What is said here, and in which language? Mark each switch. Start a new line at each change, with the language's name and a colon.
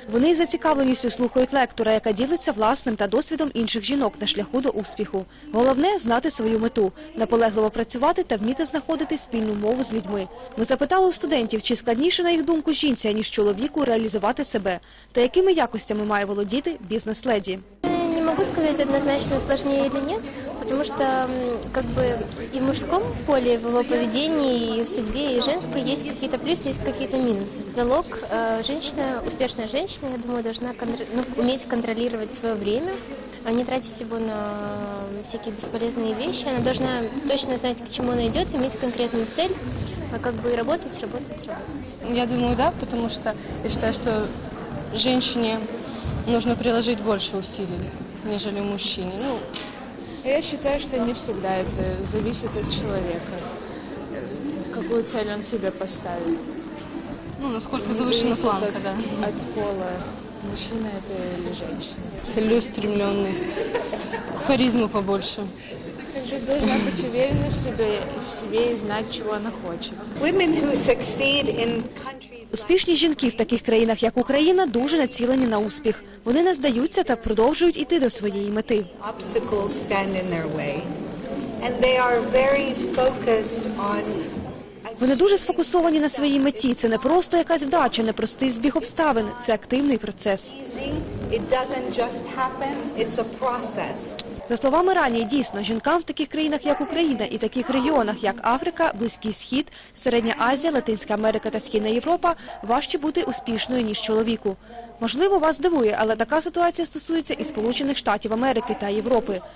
Ukrainian: Вони із зацікавленістю слухають лектора, яка ділиться власним та досвідом інших жінок на шляху до успіху. Головне – знати свою мету – наполегливо працювати та вміти знаходити спільну мову з людьми. Ми запитали у студентів, чи складніше, на їх думку, жінці, ніж чоловіку, реалізувати себе. Та якими якостями має володіти бізнес-леді?
Russian: Не могу сказать однозначно, сложнее или нет, потому что как бы и в мужском поле, в его поведении, и в судьбе, и в женской есть какие-то плюсы, есть какие-то минусы. Залог женщина, успешная женщина, я думаю, должна уметь контролировать свое время, а не тратить его на всякие бесполезные вещи. Она должна точно знать, к чему она идет, иметь конкретную цель, а как бы работать, работать, работать. Я думаю, да, потому что я считаю, что женщине нужно приложить больше усилий, нежели мужчине. Ну, я считаю, что не всегда это зависит от человека, какую цель он себе поставит. Ну, насколько завышена планка, от, да. От пола, мужчина это или женщина. Целеустремленность, харизма побольше. Должна быть уверена в себе и знать, чего она хочет.
English: Women who succeed in countries...
Ukrainian: Успішні жінки в таких країнах, як Україна, дуже націлені на успіх. Вони не здаються та продовжують йти до своєї мети.
English: Obstacles stand in their way, and they are very focused on...
Ukrainian: Вони дуже сфокусовані на своїй меті. Це не просто якась вдача, не простий збіг обставин. Це активний процес.
English: It doesn't just happen, it's a process.
Ukrainian: За словами Рані, дійсно, жінкам в таких країнах, як Україна, і таких регіонах, як Африка, Близький Схід, Середня Азія, Латинська Америка та Східна Європа, важче бути успішною, ніж чоловіку. Можливо, вас дивує, але така ситуація стосується і Сполучених Штатів Америки та Європи.